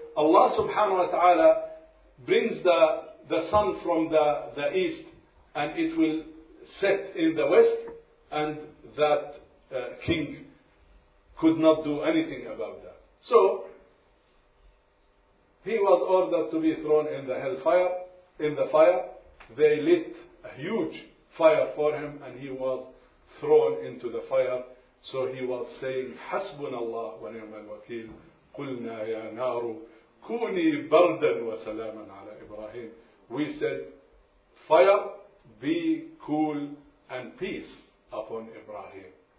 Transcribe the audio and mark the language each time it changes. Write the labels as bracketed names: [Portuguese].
[English] Allah subhanahu wa ta'ala brings the sun from the east, and it will set in the west, and that king could not do anything about that. So, he was ordered to be thrown in the hellfire. In the fire, they lit a huge fire for him, and he was thrown into the fire. So he was saying, [Arabic] حَسْبُنَ اللَّهُ وَنِعْمَ الْوَكِيلُ قُلْنَا يَا نَارُ كُونِي بَرْدًا وَسَلَامًا عَلَى إِبْرَاهِيمُ. [English] We said, fire, be cool and peace upon Ibrahim.